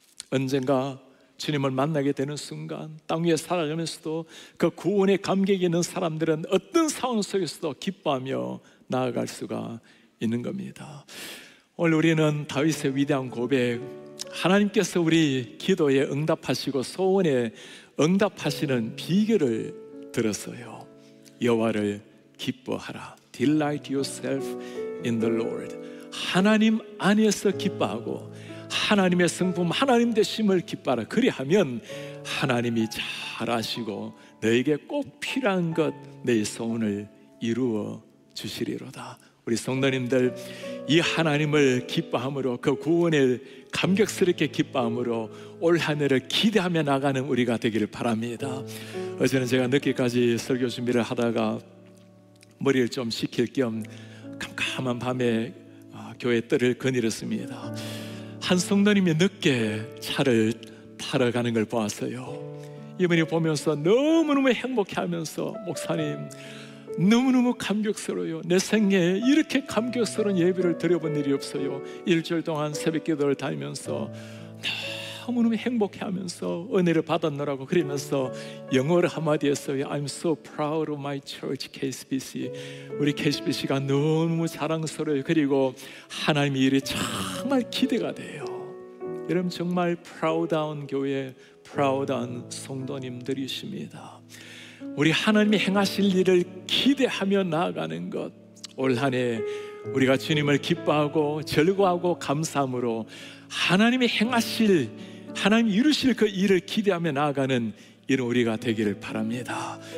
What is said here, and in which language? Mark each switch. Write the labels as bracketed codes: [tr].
[ko] 언젠가 주님을 만나게 되는 순간 땅 위에 살아가면서도 그 구원의 감격이 있는 사람들은 어떤 상황 속에서도 기뻐하며 나아갈 수가 있는 겁니다. 오늘 우리는 다윗의 위대한 고백, 하나님께서 우리 기도에 응답하시고 소원에 응답하시는 비결을 들었어요. 여호와를 기뻐하라. [en] Delight yourself in the Lord. [ko] 하나님 안에서 기뻐하고 하나님의 성품, 하나님 되심을 기뻐하라. 그리하면 하나님이 잘 아시고 너에게 꼭 필요한 것, 내 소원을 이루어 주시리로다. 우리 성도님들, 이 하나님을 기뻐함으로, 그 구원을 감격스럽게 기뻐함으로 올 한해를 기대하며 나가는 우리가 되기를 바랍니다. 어제는 제가 늦게까지 설교 준비를 하다가 머리를 좀 식힐 겸 깜깜한 밤에 교회 뜰을 거닐었습니다. 한 성도님이 늦게 차를 타러 가는 걸 보았어요. 이분이 보면서 너무너무 행복해하면서, 목사님 너무너무 감격스러워요. 내 생에 이렇게 감격스러운 예배를 드려본 일이 없어요. 일주일 동안 새벽 기도를 다니면서 너무너무 행복해하면서 은혜를 받았노라고 그러면서 영어로 한마디 했어요. [en] I'm so proud of my church, KSBC. [ko] 우리 KSBC가 너무너무 자랑스러워요. 그리고 하나님의 일이 정말 기대가 돼요. 여러분 정말 프라우드한 교회, 프라우드한 성도님들이십니다. 우리 하나님이 행하실 일을 기대하며 나아가는 것, 올 한해 우리가 주님을 기뻐하고 즐거워하고 감사함으로 하나님이 행하실, 하나님이 이루실 그 일을 기대하며 나아가는 이런 우리가 되기를 바랍니다.